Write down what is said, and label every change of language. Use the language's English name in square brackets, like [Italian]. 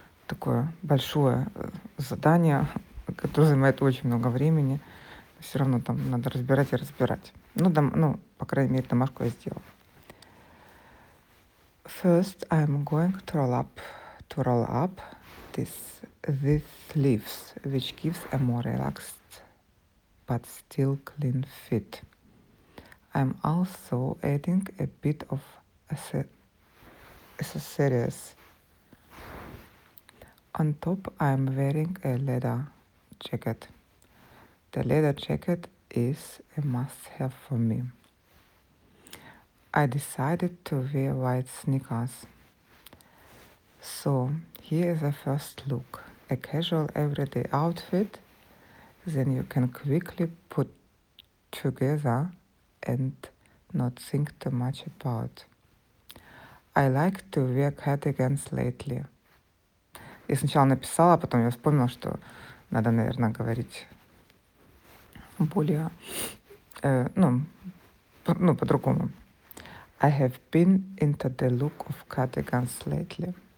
[Russian] Такое большое задание, которое занимает очень много времени. Все равно там надо разбирать и разбирать. Ну, дом, ну, по крайней мере, домашку я сделала. [English] First, I'm going to roll up these leaves, which gives a more relaxed but still clean fit. I'm also adding a bit of accessories. On top, I'm wearing a leather jacket. The leather jacket is a must-have for me. I decided to wear white sneakers. So, here is a first look. A casual everyday outfit. Then you can quickly put together and not think too much about. I like to wear cardigans lately. [Russian] Я сначала написала, а потом я вспомнила, что надо, наверное, говорить более, по-другому. [English] I have been into the look of cardigans lately.